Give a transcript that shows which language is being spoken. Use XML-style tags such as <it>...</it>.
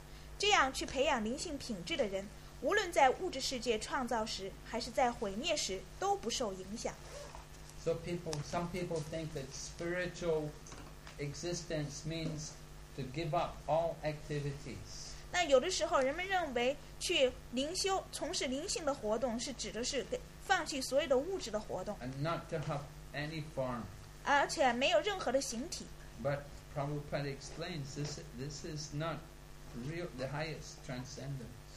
<zh>对此一无所知的人认为，灵性存在跟物质中截跟物质种类截然相反。然而实际上，在灵性天空仍获得灵性的形体，而且还有灵性活动。灵性的境况称为奉献生活，那里的环境不受污染，而且人跟至尊主在品质上是一致的。要得到这些知识，就必须培养全部灵性品质。这样去培养灵性品质的人。无论在物质世界创造时还是在毁灭时都不受影响。</zh> <en>So some people think that spiritual existence means to give up all activities.</en> <zh>那有的时候人们认为去灵修从事灵性的活动是指的是放弃所有的物质的活动。</zh> <en>And not to have any form.</en> <zh>而且没有任何的形体。</zh> <en>But Prabhupada explains this is not real, the highest transcendence.</en>